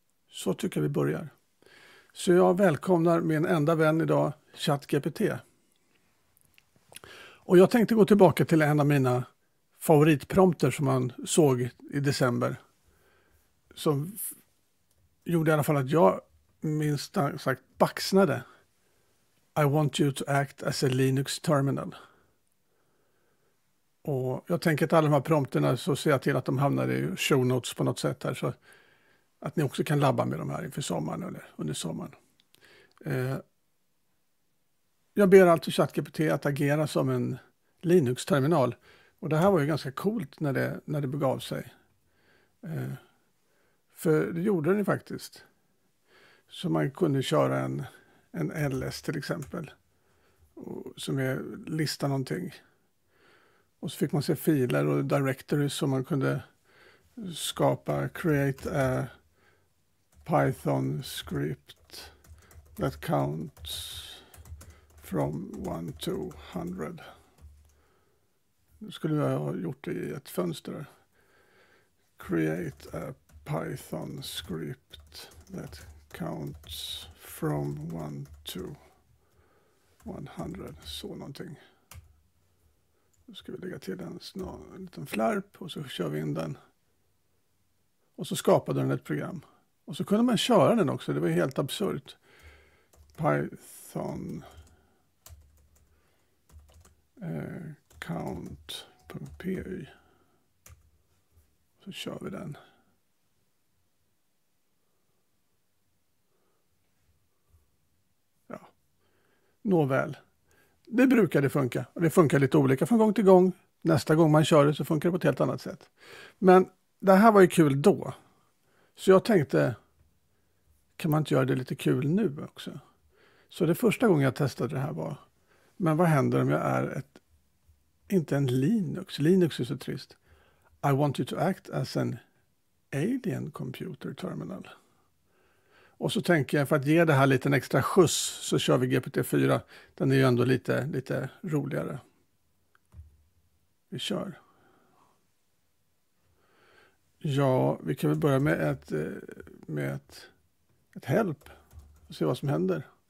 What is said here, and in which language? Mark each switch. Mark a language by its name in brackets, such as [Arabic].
[Swedish] Så tycker jag vi börjar. Så jag välkomnar min enda vän idag, chatGPT. Och jag tänkte gå tillbaka till en av mina favoritprompter som man såg i december. Som gjorde i alla fall att jag minst sagt baxnade. [English] I want you to act as a Linux terminal. [Swedish] Och jag tänker att alla de här prompterna så ser jag till att de hamnar i show notes på något sätt här. Så att ni också kan labba med de här inför sommaren eller under sommaren. Jag ber alltså chatGPT att agera som en Linux terminal. Och det här var ju ganska coolt när det begav sig. För det gjorde den ju faktiskt. Så man kunde köra en LS till exempel. Och, som är lista någonting. Och så fick man se filer och directories som man kunde skapa. [English] Create a Python script that counts from 1 to 100. [Swedish] Nu skulle jag ha gjort det i ett fönster. [English] Create a Python script that counts from 1 to 100. [Swedish] Så någonting. Nu ska vi lägga till en liten flärp och så kör vi in den. Och så skapade den ett program. Och så kunde man köra den också. Det var helt absurt. Python count.py. Så kör vi den. Nåväl, det brukade funka. Det funkar lite olika från gång till gång. Nästa gång man kör det så funkar det på ett helt annat sätt. Men det här var ju kul då. Så jag tänkte, kan man inte göra det lite kul nu också? Så det första gången jag testade det här var, men vad händer om jag är ett, inte en Linux? Linux är så trist. [English] I want you to act as an alien computer terminal. [Swedish] Och så tänker jag, för att ge det här lite extra skjuts, så kör vi GPT-4. Den är ju ändå lite roligare. Vi kör. Ja, vi kan väl börja med ett help. Och se vad som händer.